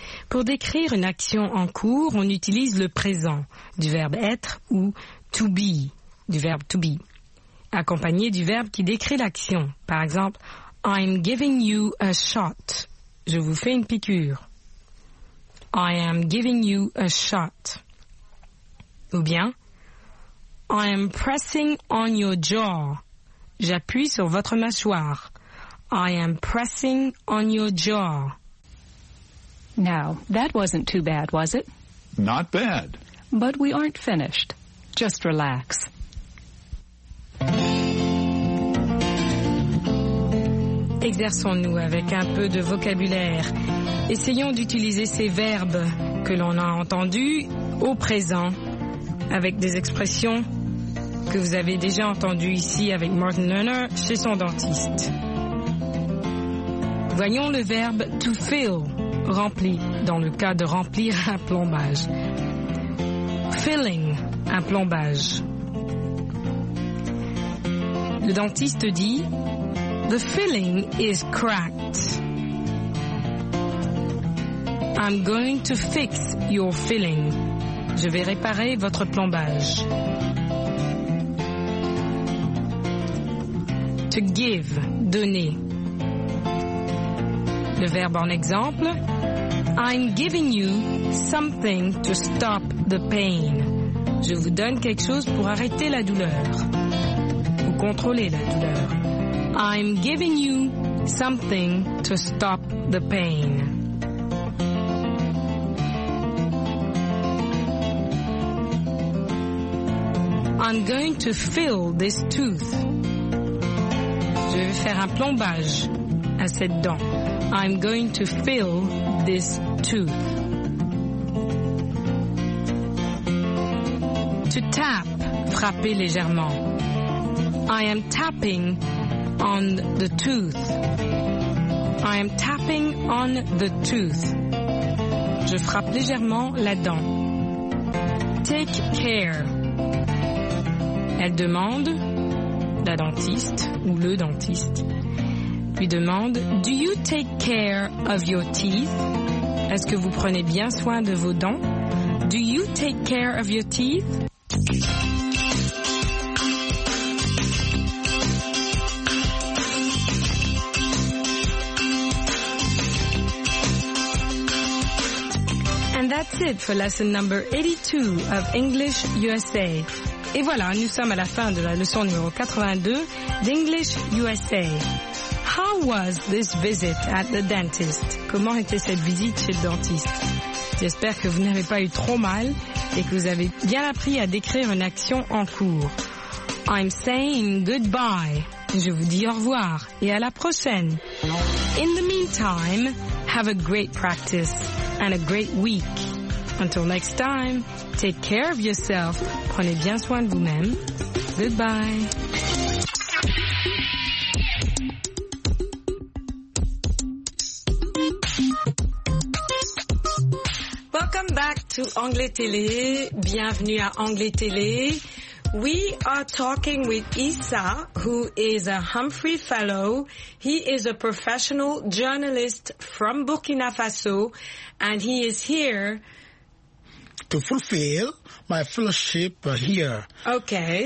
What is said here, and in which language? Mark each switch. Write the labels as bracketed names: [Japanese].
[French] Pour décrire une action en cours, on utilise le présent du verbe être ou to be, du verbe to be, accompagné du verbe qui décrit l'action. Par exemple, [English] I'm giving you a shot. [French] Je vous fais une piqûre. [English] I am giving you a shot. [French] Ou bien, [English] I am pressing on your jaw. [French] J'appuie sur votre mâchoire. [English] I am pressing on your jaw. Now, that wasn't too bad, was it? Not bad. But we aren't finished. Just relax. [French] Exerçons-nous avec un peu de vocabulaire. Essayons d'utiliser ces verbes que l'on a entendus au présent avec des expressions que vous avez déjà entendues ici avec Martin Lerner chez son dentiste. Voyons le verbe « to fill » rempli dans le cas de remplir un plombage. Filling, un plombage. Le dentiste dit [English] « The filling is cracked. I'm going to fix your filling. [French] Je vais réparer votre plombage. » To give, donner. Le verbe en exemple, [English] I'm giving you something to stop the pain. [French] Je vous donne quelque chose pour arrêter la douleur, pour contrôler la douleur. [English] I'm giving you something to stop the pain. I'm going to fill this tooth. [French] Je vais faire un plombage à cette dent. [English] I'm going to fill this tooth. [French] To tap, frapper légèrement. [English] I am tapping on the tooth. I am tapping on the tooth. [French] Je frappe légèrement la dent. [English] Take care. [French] Elle demande, la dentiste ou le dentiste, lui demande, [English] do you take care of your teeth? [French] Est-ce que vous prenez bien soin de vos dents? [English] Do you take care of your teeth? And that's it for lesson number 82 of English USA. [French] Et voilà, nous sommes à la fin de la leçon numéro 82 d'English USA. [English] How was this visit at the dentist? [French] Comment était cette visite chez le dentiste? J'espère que vous n'avez pas eu trop mal et que vous avez bien appris à décrire une action en cours. [English] I'm saying goodbye. [French] Je vous dis au revoir et à la prochaine. [English] In the meantime, have a great practice and a great week. Until next time, take care of yourself. [French] Prenez bien soin de vous-même. Goodbye. [English] Welcome back to Anglais Télé. [French] Bienvenue à Anglais Télé. [English] We are talking with Issa, who is a Humphrey Fellow. He is a professional journalist from Burkina Faso, and he is here to fulfill my fellowship here. Okay.